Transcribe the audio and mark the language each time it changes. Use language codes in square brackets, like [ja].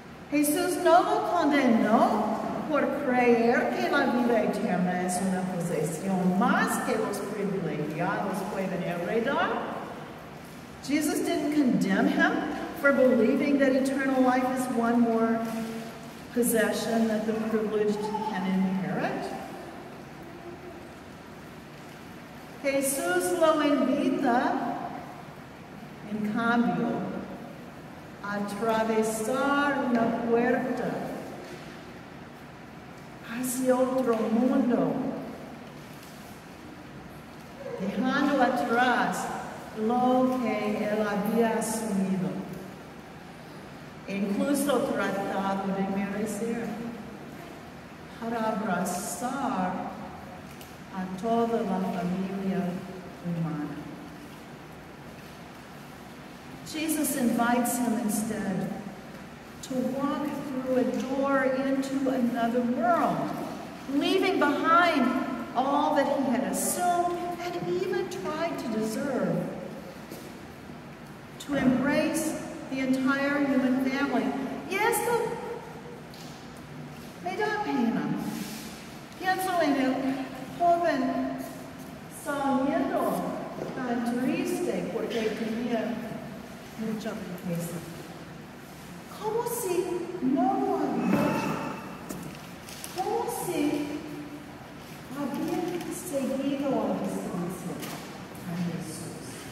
[es] Jesús no lo condenó por creer que la vida eterna es una posesión más que los privilegiados pueden heredar. [en] Jesus didn't condemn him for believing that eternal life is one more possession that the privileged can inherit. [es] Jesús lo invita, en cambio, a atravesar una puerta hacia otro mundo, dejando atrás lo que él había asumido, incluso tratado de merecer, para abrazar a toda la familia humana. [en] Jesus invites him instead to walk through a door into another world, leaving behind all that he had assumed and even tried to deserve, to embrace the entire human family. [es] Yes, me da pena. Pienso en el joven saliendo tan triste porque tenía mucha riqueza. ¿Cómo si no lo había hecho? ¿Cómo si había seguido a distancia a Jesús?